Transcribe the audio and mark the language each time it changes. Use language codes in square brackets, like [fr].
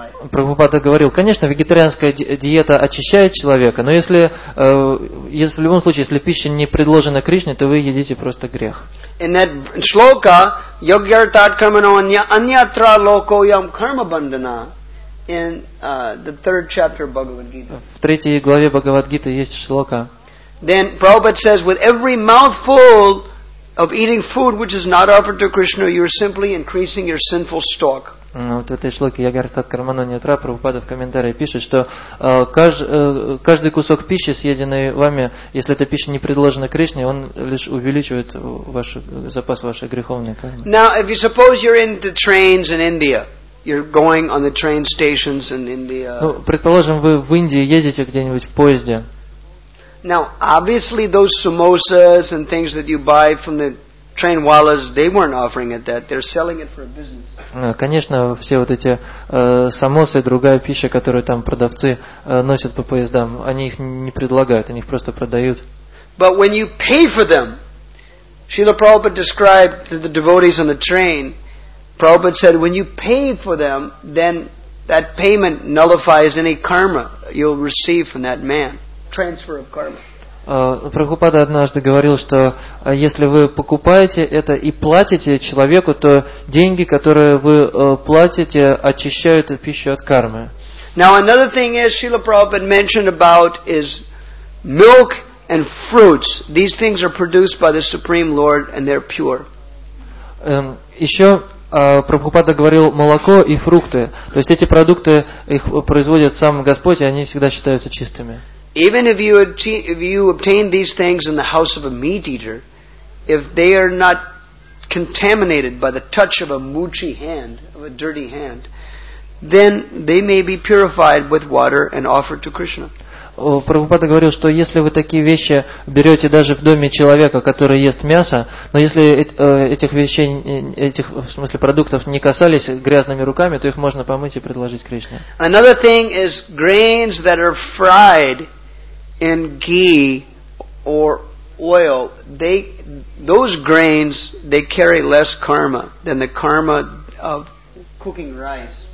[ru] Прабхупада говорил, конечно, вегетарианская диета очищает человека, но если в любом случае, если пища не предложена Кришне, то вы едите просто грех. [en] In that shloka, [sa] yogyartat karmano anyatra lokoyam karma bandana, [en] in the third chapter of Bhagavad Gita. [ru] В третьей главе Бхагавадгиты есть шлока. [en] Then Prabhupada says, with every mouthful of eating food which is not offered to Krishna, you are simply increasing your sinful stock. [ru] Вот в этой шлоке Ягартат Кармано Нетра Прабхупада в комментарии пишет, что каждый кусок пищи, съеденный вами, если эта пища не предложена Кришне, он лишь увеличивает запас вашей греховной кармы. [en] Now, if you suppose you're in the trains in India, you're going on the train stations in India. [ru] Ну, предположим, вы в Индии ездите где-нибудь в поезде. [en] Now, obviously, those samosas and things that you buy from the train wallahs, they weren't offering it that. They're selling it for a business. [ru] Конечно, все вот эти самосы и другая пища, которую там продавцы носят по поездам, они их не предлагают, они их просто продают. [en] But when you pay for them, Srila Prabhupada described to the devotees on the train, Prabhupada said, when you pay for them, then that payment nullifies any karma you'll receive from that man. Transfer of karma. [ru] Прабхупада однажды говорил, что если вы покупаете это и платите человеку, то деньги, которые вы платите, очищают эту пищу от кармы. [en] Now another thing is, Srila Prabhupada mentioned about is milk and fruits. These things are produced by the Supreme Lord and they're pure. [ru] Еще Прабхупада говорил молоко и фрукты. То есть эти продукты их производит сам Господь, и они всегда считаются чистыми. [en] Even if you obtain these things in the house of a meat eater, if they are not contaminated by the touch of a muchi hand, of a dirty hand, then they may be purified with water and offered to Krishna. [ru] Прабхупада говорил, что если вы такие вещи берете даже в доме человека, который ест мясо, но если этих вещей, этих, в смысле, продуктов не касались грязными руками, то их можно помыть и предложить Кришне. [en] Another thing is grains that are fried in ghee or oil, those grains carry less karma than the karma of cooking rice.